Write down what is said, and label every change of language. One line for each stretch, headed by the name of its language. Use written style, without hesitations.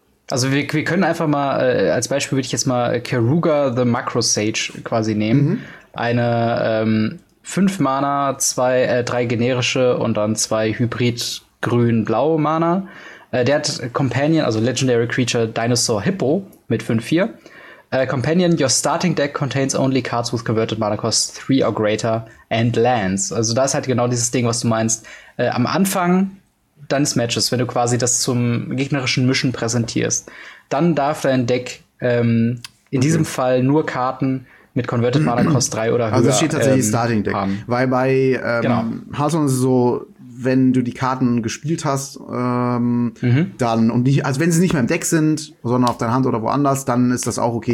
German: Also wir können einfach mal, als Beispiel würde ich jetzt mal Karuga the Macro Sage quasi nehmen. Eine 5 Mana, 3 generische und dann 2 Hybrid-Grün-Blaue Mana. Der hat Companion, also Legendary Creature Dinosaur Hippo mit 5-4.
English: Companion, your starting deck contains only cards with converted mana cost 3 or greater and lands.
German: Also da ist halt genau dieses Ding, was du meinst. Am Anfang deines Matches, wenn du quasi das zum gegnerischen Mischen präsentierst, dann darf dein Deck in diesem Fall nur Karten mit converted mana cost 3 oder höher. Also es steht tatsächlich starting deck. Weil bei Hearthstone ist es so, wenn du die Karten gespielt hast, dann, und nicht, also wenn sie nicht mehr im Deck sind, sondern auf deiner Hand oder woanders, dann ist das auch okay.